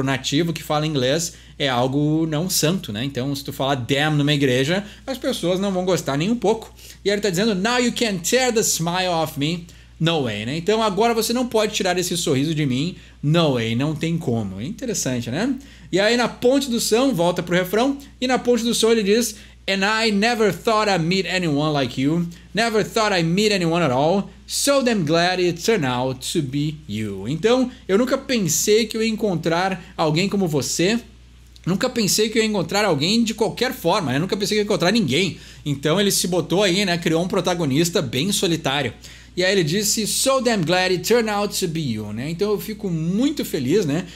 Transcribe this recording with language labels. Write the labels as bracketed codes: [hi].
[pt] Pro nativo que fala inglês, é algo não santo, né? Então, se tu falar damn numa igreja, as pessoas não vão gostar nem um pouco. E aí ele tá dizendo, [en] now you can tear the smile off me. No way, [pt] né? Então, agora você não pode tirar esse sorriso de mim. [en] No way, [pt] não tem como. Interessante, né? E aí, na ponte do som, volta pro refrão. [en] E na ponte do som, ele diz, and I never thought I'd meet anyone like you. Never thought I'd meet anyone at all. So damn glad it turned out to be you. [pt] Então, eu nunca pensei que eu ia encontrar alguém como você. Nunca pensei que eu ia encontrar alguém de qualquer forma, né? Nunca pensei que ia encontrar ninguém. Então ele se botou aí, né? Criou um protagonista bem solitário. E aí ele disse, [en] so damn glad it turned out to be you, [pt] né? Então eu fico muito feliz, né?